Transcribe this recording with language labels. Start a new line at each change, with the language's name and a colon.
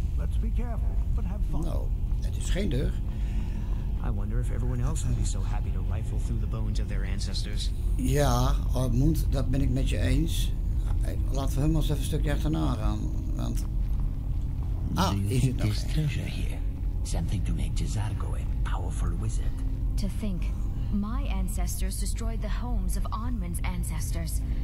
English: Let's be careful, but have fun.
Dutch: No, het is geen deur.
English: I wonder if everyone else would be so happy to rifle through the bones of their ancestors.
Dutch: Ja, Armond, dat ben ik met je eens. Laten we hem eens even een stukje achterna gaan, want... Is het nog
English: treasure here? Something to make Jezargo a powerful wizard. To think, my ancestors destroyed the homes of Onwin's ancestors.